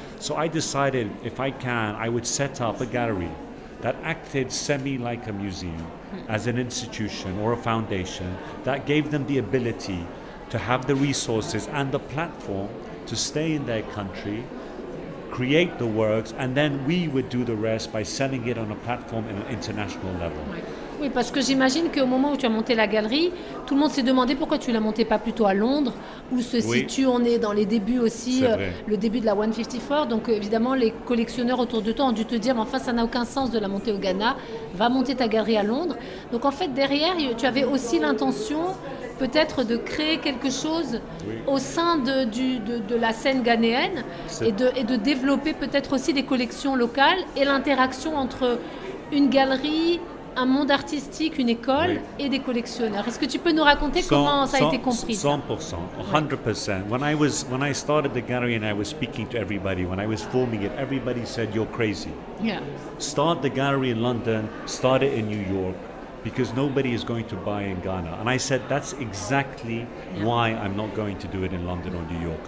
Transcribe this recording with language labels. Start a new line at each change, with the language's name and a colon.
English: So I decided if I can, I would set up a gallery that acted semi like a museum, as an institution or a foundation that gave them the ability to have the resources and the platform to stay in their country, create the works, and then we would do the rest by selling it on a platform in an international level.
French: Oui, parce que j'imagine qu'au moment où tu as monté la galerie, tout le monde s'est demandé pourquoi tu ne la montais pas plutôt à Londres, où se situe, on est dans les débuts aussi, le début de la 154. Donc évidemment, les collectionneurs autour de toi ont dû te dire, mais enfin, ça n'a aucun sens de la monter au Ghana, va monter ta galerie à Londres. Donc en fait, derrière, tu avais aussi l'intention peut-être de créer quelque chose au sein de la scène ghanéenne et de développer peut-être aussi des collections locales et l'interaction entre une galerie, un monde artistique, une école et des collectionneurs. Est-ce que tu peux nous raconter comment ça a été compris?
English: 100%, 100%. When I started the gallery and I was speaking to everybody, when I was forming it, everybody said, you're crazy. Yeah. Start the gallery in London, start it in New York, because nobody is going to buy in Ghana. And I said, that's exactly why I'm not going to do it in London or New York.